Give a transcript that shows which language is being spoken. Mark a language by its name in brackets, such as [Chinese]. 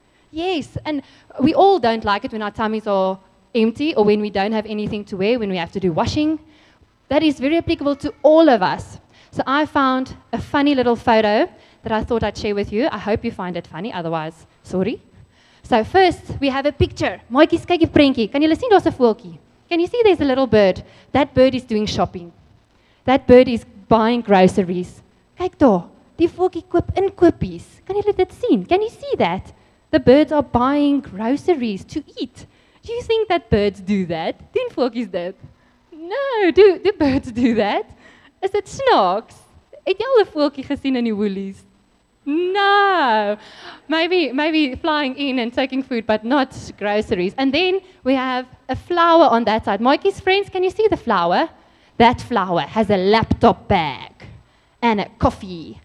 [English] Yes, and we all don't like it when our tummies are empty or when we don't have anything to wear, when we have to do washing. That is very applicable to all of us. So I found a funny little photo that I thought I'd share with you. I hope you find it funny, otherwise, sorry. So first, we have a picture. [Afrikaans] Maatjies, kyk die prentjie. Kan julle sien daar's 'n voeltjie? [English] Can you see there's a little bird? That bird is doing shopping. That bird is buying groceries. [Afrikaans] Kyk daar. Die voeltjie koop inkopies. Kan julle dit sien? [English] Can you see that? The birds are buying groceries to eat. Do you think that birds do that? [Afrikaans] Doen voeltjies dit? [English] No, do birds do that? Is it snaaks? [Afrikaans] Het jy al 'n voeltjie gesien in die Woolies? [English] No, maybe flying in and taking food, but not groceries. And then we have a flower on that side. Mikey's friends, can you see the flower? That flower has a laptop bag and a coffee.